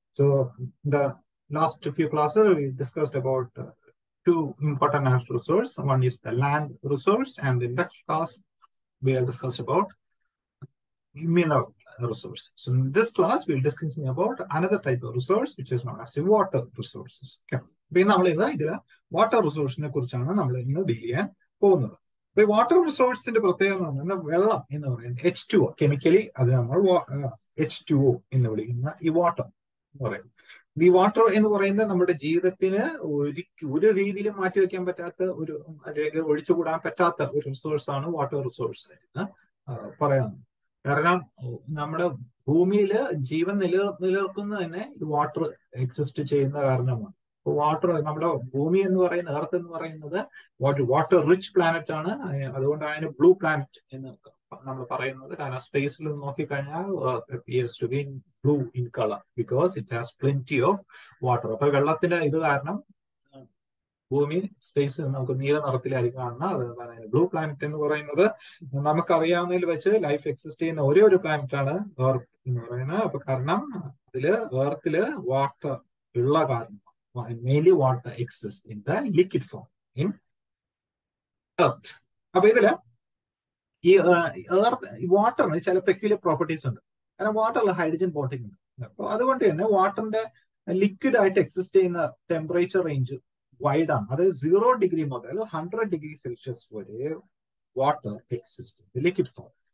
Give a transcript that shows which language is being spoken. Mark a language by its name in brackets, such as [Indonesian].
[English] So the last few classes we discussed about two important natural resources. One is the land resource, and in next class we have discussed about mineral resource. So in this class we'll discuss about another type of resource, which is known as the water resources. Okay. [Malayalam] Water റിസോഴ്സിനെ കുറിച്ചാണ് നമ്മൾ ഇന്ന് deal ചെയ്യാൻ പോകുന്നത്. അപ്പൊ water റിസോഴ്സിന്റെ പ്രത്യേകത എന്ന് പറയുന്നത് വെള്ളം എന്ന് പറയുന്നത് എച്ച് ടു ഒ കെമിക്കലി അത് നമ്മൾ എച്ച് ടു ഒ എന്ന് വിളിക്കുന്ന ഈ വാട്ടർ എന്ന് പറയുന്നത്. ഈ വാട്ടർ എന്ന് പറയുന്നത് നമ്മുടെ ജീവിതത്തിന് ഒരു രീതിയിലും മാറ്റി വെക്കാൻ പറ്റാത്ത ഒരു അല്ലെങ്കിൽ ഒഴിച്ചുകൂടാൻ പറ്റാത്ത ഒരു റിസോഴ്സാണ് വാട്ടർ റിസോഴ്സ് എന്ന് പറയുന്നത്. കാരണം നമ്മുടെ ഭൂമിയിൽ ജീവൻ നിലനിൽക്കുന്നത് തന്നെ ഈ വാട്ടർ എക്സിസ്റ്റ് ചെയ്യുന്ന കാരണമാണ്. ഇപ്പൊ വാട്ടർ നമ്മുടെ ഭൂമി എന്ന് പറയുന്ന എർത്ത് എന്ന് പറയുന്നത് വാട്ടർ റിച്ച് പ്ലാനറ്റ് ആണ്. അതുകൊണ്ടാണ് അതിന് ബ്ലൂ പ്ലാനറ്റ് എന്ന് നമ്മൾ പറയുന്നത്. കാരണം സ്പേസിൽ നോക്കിക്കഴിഞ്ഞാൽ [English] Appears to be in blue in colour because it has plenty of water. [Malayalam] അപ്പൊ വെള്ളത്തിന്റെ ഇത് കാരണം ഭൂമി സ്പേസ് നമുക്ക് നീല നിറത്തിലായിരിക്കും കാണുന്നത്. അതുകൊണ്ടാണ് അതിന് ബ്ലൂ പ്ലാനറ്റ് എന്ന് പറയുന്നത്. നമുക്കറിയാവുന്നതിൽ വെച്ച് ലൈഫ് എക്സിസ്റ്റ് ചെയ്യുന്ന ഒരേ ഒരു പ്ലാനറ്റ് ആണ് എർത്ത് എന്ന് പറയുന്നത്. അപ്പൊ കാരണം അതില് എർത്തില് വാട്ടർ ഉള്ള കാരണം [English] mainly water exists in the liquid form in earth. [Malayalam] അപ്പൊ ഇതില് ഈ earth വാട്ടറിന് ചില പെക്യുലർ പ്രോപ്പർട്ടീസ് ഉണ്ട്. കാരണം വാട്ടറിൽ ഹൈഡ്രജൻ ബോണ്ടിങ് ഉണ്ട്. അപ്പൊ അതുകൊണ്ട് തന്നെ വാട്ടറിന്റെ ലിക്വിഡ് ആയിട്ട് എക്സിസ്റ്റ് ചെയ്യുന്ന ടെമ്പറേച്ചർ റേഞ്ച് വൈഡാണ്. അതായത് 0 ഡിഗ്രി മുതൽ 100 ഡിഗ്രി സെൽഷ്യസ് വരെ വാട്ടർ എക്സിസ്റ്റ് ചെയ്യുന്ന ലിക്വിഡ് ഫോം.